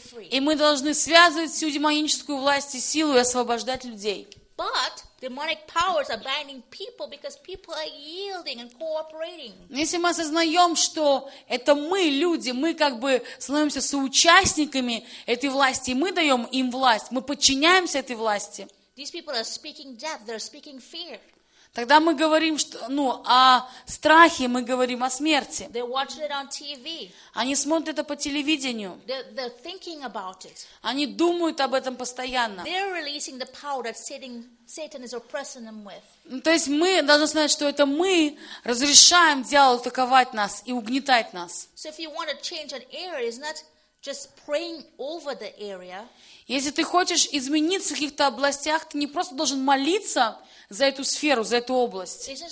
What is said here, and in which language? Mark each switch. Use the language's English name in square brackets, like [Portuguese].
[Russian] И мы должны связывать всю демоническую власть и силу и освобождать людей. [English] But demonic powers are binding people because people are yielding and cooperating. [Russian] Если мы осознаем, что это мы, люди, мы как бы становимся соучастниками этой власти, и мы даем им власть, мы подчиняемся этой власти. [English] These people are speaking death, they're speaking fear. [Russian] Тогда мы говорим, что, ну, о страхе, мы говорим о смерти. [English] They're watching it on TV. [Russian] Они смотрят это по телевидению. [English] They're thinking about it. [Russian] Они думают об этом постоянно. [English] They're releasing the power that Satan is oppressing them with. [Russian] Ну, то есть мы должны знать, что это мы разрешаем дьяволу атаковать нас и угнетать нас. [English] So if you want to change an area, it's not just praying over the area. [Russian] Если ты хочешь измениться в каких-то областях, ты не просто должен молиться за эту сферу, за эту область.